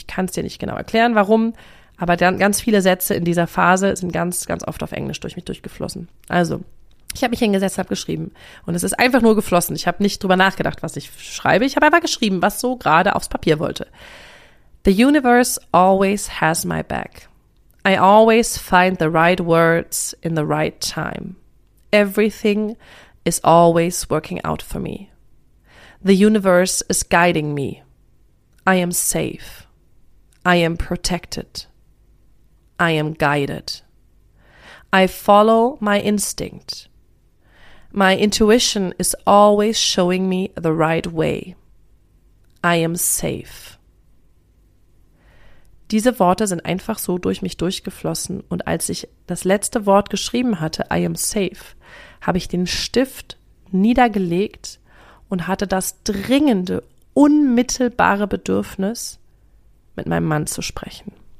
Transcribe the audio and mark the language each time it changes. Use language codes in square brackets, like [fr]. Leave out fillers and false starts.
[de] Ich kann es dir nicht genau erklären, warum, aber dann ganz viele Sätze in dieser Phase sind ganz, ganz oft auf Englisch durch mich durchgeflossen. Also, ich habe mich hingesetzt, habe geschrieben und es ist einfach nur geflossen. Ich habe nicht drüber nachgedacht, was ich schreibe. Ich habe einfach geschrieben, was so gerade aufs Papier wollte. [en] The universe always has my back. I always find the right words in the right time. Everything is always working out for me. The universe is guiding me. I am safe. I am protected. I am guided. I follow my instinct. My intuition is always showing me the right way. I am safe. [de] Diese Worte sind einfach so durch mich durchgeflossen und als ich das letzte Wort geschrieben hatte, [en] I am safe, [de] habe ich den Stift niedergelegt und hatte das dringende, unmittelbare Bedürfnis, mit meinem Mann zu sprechen.